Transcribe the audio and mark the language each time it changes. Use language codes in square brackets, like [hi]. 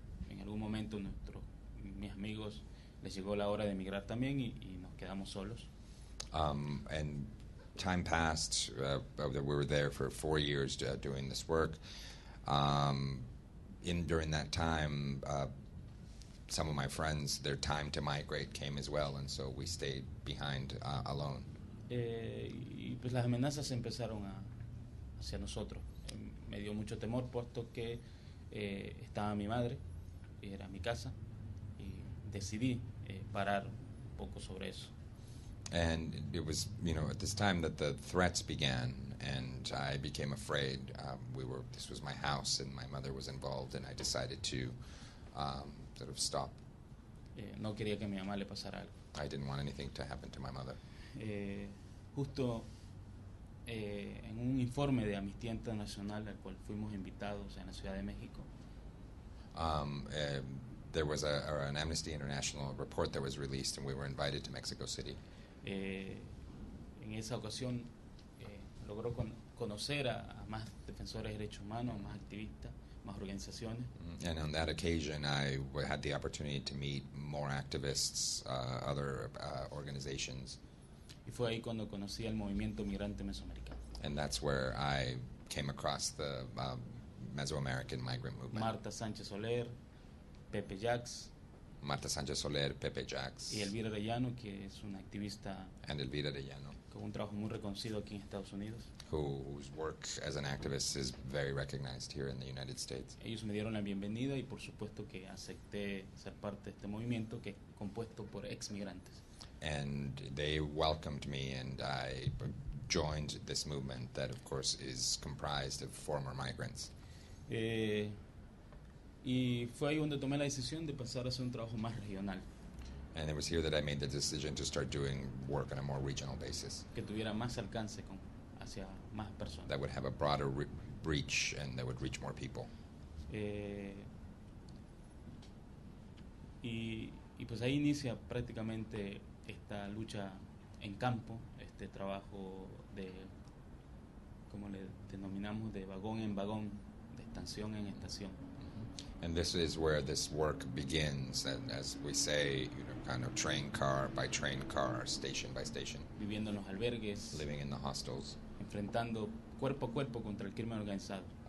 [es] En algún momento, mis amigos les llegó la hora de emigrar también, y nos quedamos solos. [en] And time passed, that we were there for 4 years doing this work. During that time, some of my friends, their time to migrate came as well, and so we stayed behind alone. [es] Y pues las amenazas empezaron hacia nosotros. Me dio mucho temor, puesto que estaba mi madre, y era mi casa, y decidí parar un poco sobre eso. [en] And it was, you know, at this time that the threats began, and I became afraid. This was my house, and my mother was involved, and I decided to sort of stop. [es] No quería que mi mamá le pasara algo. [en] I didn't want anything to happen to my mother. [es] Justo en un informe de Amnistía Internacional al cual fuimos invitados en la Ciudad de México. [en] There was an Amnesty International report that was released, and we were invited to Mexico City. [es] En esa ocasión logró conocer a más defensores de derechos humanos, más activistas, más organizaciones. [en] And on that occasion, I had the opportunity to meet more activists, other organizations. [es] Y fue ahí cuando conocí el movimiento migrante mesoamericano. [en] And that's where I came across the Mesoamerican migrant movement. [es] Marta Sánchez Soler, Pepe Jax. [en] Marta Sánchez Soler, Pepe Jax. [es] Y Elvira Arellano, que es una activista. [en] And Elvira Arellano. [es] Con un trabajo muy reconocido aquí en Estados Unidos. [en] Whose work as an activist is very recognized here in the United States. [es] Ellos me dieron la bienvenida y por supuesto que acepté ser parte de este movimiento que es compuesto por exmigrantes. [en] And they welcomed me and I joined this movement that of course is comprised of former migrants. [es] Y fue ahí donde tomé la decisión de pasar a hacer un trabajo más regional. [en] And it was here that I made the decision to start doing work on a more regional basis. [es] Que tuviera más alcance con hacia más personas. [en] That would have a broader reach and that would reach more people. [es] Y pues ahí inicia prácticamente esta lucha en campo, este trabajo de, como le denominamos, de vagón en vagón, de estación en estación. [en] And this is where this work begins, and as we say, you know, kind of train car, station by station. [es] Viviendo en los albergues. [en] Living in the hostels. [es] Enfrentando cuerpo a cuerpo contra el crimen organizado.